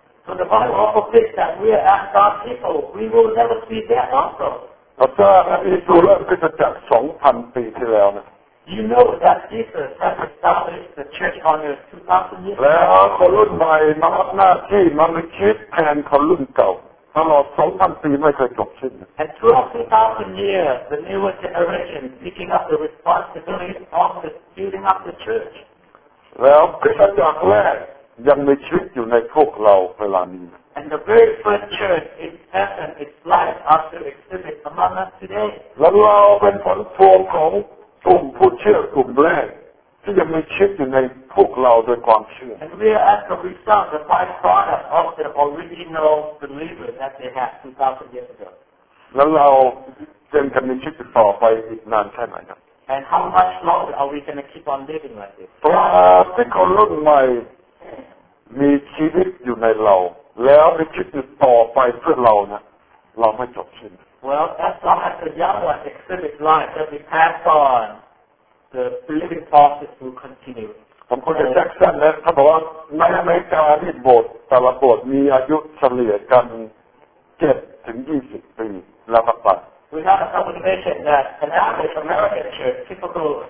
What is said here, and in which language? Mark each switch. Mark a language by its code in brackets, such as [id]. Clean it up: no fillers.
[en] So the Bible also says that we are as God's people, we will never see death also. [th] พระเจ้าพระเยซูเริ่มคริสตจักร2,000 ปีที่แล้วนะ [en] You know that Jesus has established the church on earth 2,000 years ago. [th] แล้วคนรุ่นใหม่มารับหน้าที่มามีชีวิตแทนคนรุ่นเก่าตลอด2,000 ปีไม่เคยจบสิ้น [en] And throughout 2,000 years, the newer generation picking up the responsibility of the building up the church. [th] แล้วคริสตจักรแรก ยังมีชีวิตอยู่ในพวกเราเวลานี้ [en] And the very first church in heaven is life after exhibit among us today. [th] แล้วเราเป็นผลพวงของกลุ่มผู้เชื่อกลุ่มแรกที่ยังมีชีวิตอยู่ในพวกเราด้วยความเชื่อ [en] And we are as a result the byproduct of the original believers that they had 2,000 years ago. [th] แล้วเรา จนจะมีชีวิตต่อไปอีกนานแค่ไหนครับ [en] And how much longer are we going to keep on living like this? [th] เพราะที่คนรุ่นใหม่มีชีวิตอยู่ในเราแล้วมีชีวิตต่อไปเพื่อเรานะเราไม่จบสิ้น [en] Well, as long as the young ones exhibit life that we pass on, the living process will continue. [th] ผมคุยกับแจ็คสันนะเขาบอกว่าในอเมริกาที่โบสถ์แต่ละโบสถ์มีอายุเฉลี่ยกัน7-20 ปีแล้วก็ไป [en] We have a conversation that an average American church typical